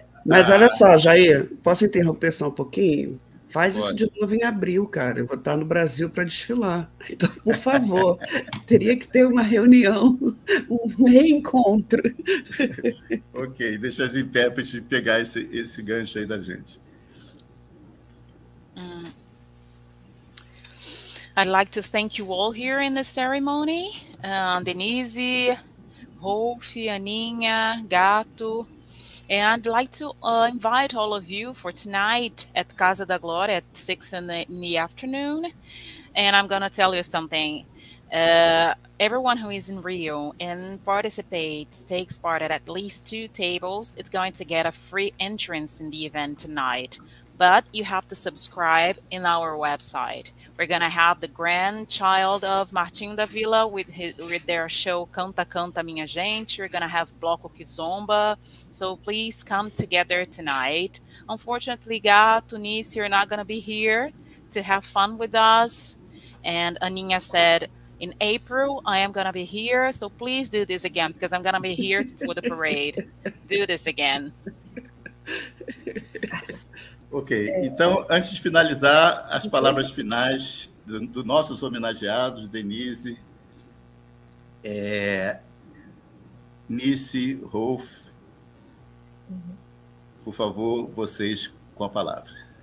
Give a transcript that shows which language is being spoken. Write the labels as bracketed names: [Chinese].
[Portuguese] Olha só, Jair, posso interromper só um pouquinho? Faz isso de novo em abril, cara. Eu vou estar no Brasil para desfilar. Então, por favor, teria que ter uma reunião, um reencontro. Ok, deixa as intérpretes pegar esse gancho aí da gente. [English] I'd like to thank you all here in the ceremony. Denise, Rolf, Aninha, Gato. And I'd like to invite all of you for tonight at Casa da Glória at 6 in the afternoon. And I'm going to tell you something. Everyone who is in Rio and participates, takes part at least 2 tables, it's going to get a free entrance in the event tonight. But you have to subscribe in our website. We're going to have the grandchild of Martinho da Vila with their show Canta, Canta, Minha Gente. We're going to have Bloco Kizomba. So please come together tonight. Unfortunately, Gato, Nice, you're not going to be here to have fun with us. And Aninha said, in April, I am going to be here. So please do this again because I'm going to be here for the parade. Do this again. [Portuguese] Ok, então, antes de finalizar, as palavras finais dos nossos homenageados, Denise, Nice, Rolf, por favor, vocês com a palavra.